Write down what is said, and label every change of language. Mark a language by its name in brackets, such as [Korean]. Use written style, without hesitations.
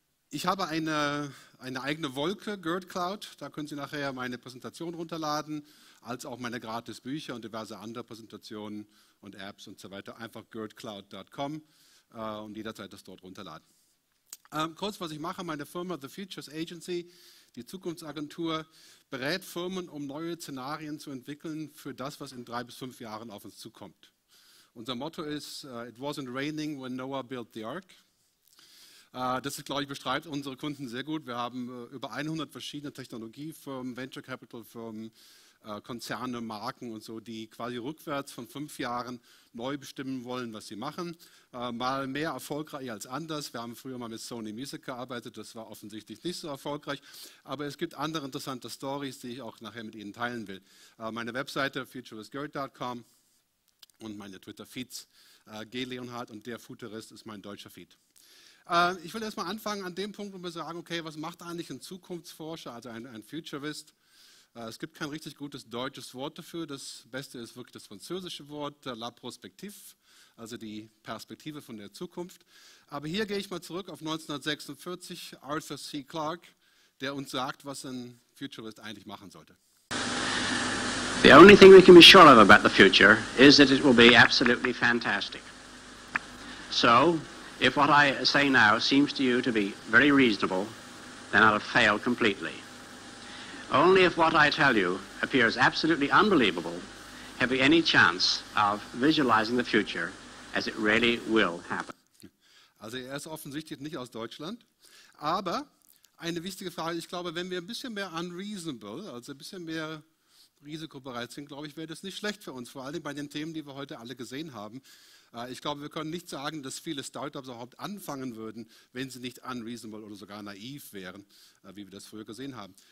[German] Ich habe eine eigene Wolke, Gerd Cloud, da können Sie nachher meine Präsentation runterladen, als auch meine gratis Bücher und diverse andere Präsentationen und Apps und so weiter. Einfach gerdcloud.com und jederzeit das dort runterladen. Kurz, was ich mache, meine Firma The Futures Agency, die Zukunftsagentur, berät Firmen, um neue Szenarien zu entwickeln für das, was in 3 bis 5 Jahren auf uns zukommt. Unser Motto ist, [English] it wasn't raining when Noah built the ark. [German] Das ist, glaube ich, beschreibt unsere Kunden sehr gut. Wir haben über 100 verschiedene Technologiefirmen, Venture Capital Firmen, Konzerne, Marken und so, die quasi rückwärts von 5 Jahren neu bestimmen wollen, was sie machen. Mal mehr erfolgreich als anders. Wir haben früher mal mit Sony Music gearbeitet, das war offensichtlich nicht so erfolgreich. Aber es gibt andere interessante Stories, die ich auch nachher mit Ihnen teilen will. Meine Webseite futurewithgerd.com und meine Twitter-Feeds, G. Leonhard und der Futurist ist mein deutscher Feed. Ich will erstmal anfangen an dem Punkt, wo wir sagen, okay, was macht eigentlich ein Zukunftsforscher, also ein Futurist? Es gibt kein richtig gutes deutsches Wort dafür. Das Beste ist wirklich das französische Wort, la prospective, also die Perspektive von der Zukunft. Aber hier gehe ich mal zurück auf 1946, Arthur C. Clarke, der uns sagt, was ein Futurist eigentlich machen sollte. [English] The only thing we can be sure of about the future is that it will be absolutely fantastic. So, if what I say now seems to you to be very reasonable, then I'll fail completely. Only if what I tell you appears absolutely unbelievable have we any chance of visualizing the future as it really will happen. [German] Also er ist offensichtlich nicht aus Deutschland, aber eine wichtige Frage, ich glaube, wenn wir ein bisschen mehr unreasonable, also ein bisschen mehr risikobereit sind, glaube ich, wäre das nicht schlecht für uns, vor allem bei den Themen, die wir heute alle gesehen haben. Ich glaube, wir können nicht sagen, dass viele Startups überhaupt anfangen würden, wenn sie nicht unreasonable oder sogar naiv wären, wie wir das früher gesehen haben.